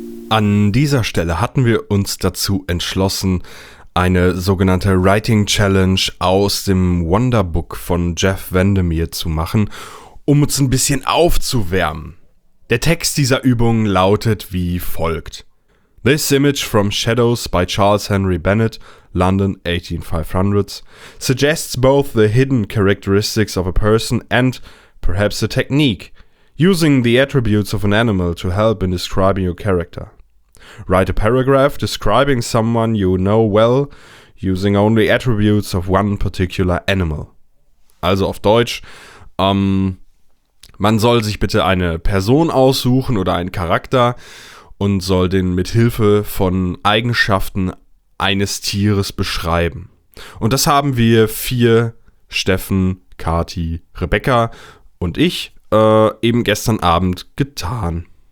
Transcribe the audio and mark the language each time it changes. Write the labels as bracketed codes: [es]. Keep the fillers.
[de] An dieser Stelle hatten wir uns dazu entschlossen, eine sogenannte Writing Challenge aus dem Wonderbook von Jeff Vandermeer zu machen, um uns ein bisschen aufzuwärmen. Der Text dieser Übung lautet wie folgt. [en] This image from Shadows by Charles Henry Bennett, London 18500s, suggests both the hidden characteristics of a person and perhaps a technique, using the attributes of an animal to help in describing your character. Write a paragraph describing someone you know well, using only attributes of one particular animal. [de] Also auf Deutsch, ähm, man soll sich bitte eine Person aussuchen oder einen Charakter und soll den mit Hilfe von Eigenschaften eines Tieres beschreiben. Und das haben wir vier, Steffen, Kati, Rebecca und ich, äh, eben gestern Abend getan.